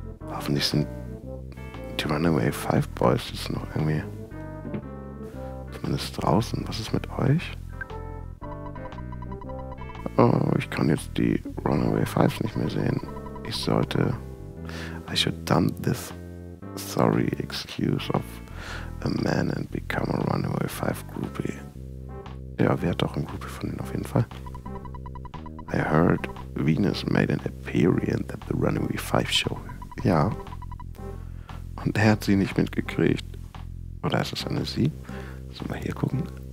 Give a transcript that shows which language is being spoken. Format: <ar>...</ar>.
<de>hoffentlich sind die Runaway Five Boys jetzt noch irgendwie zumindest draußen. Was ist mit euch? Oh, ich kann jetzt die Runaway Five nicht mehr sehen. Ich sollte...</de> <en>I should dump this sorry excuse of a man and become a Runaway Five Groupie.</en> <de>Ja, wer hat doch ein Groupie von denen auf jeden Fall?</de> <en>I heard Venus made an appearance at the Runaway Five Show. Ja.</en> <de>Und er hat sie nicht mitgekriegt. Oder ist das eine sie? Sollen wir hier gucken?</de>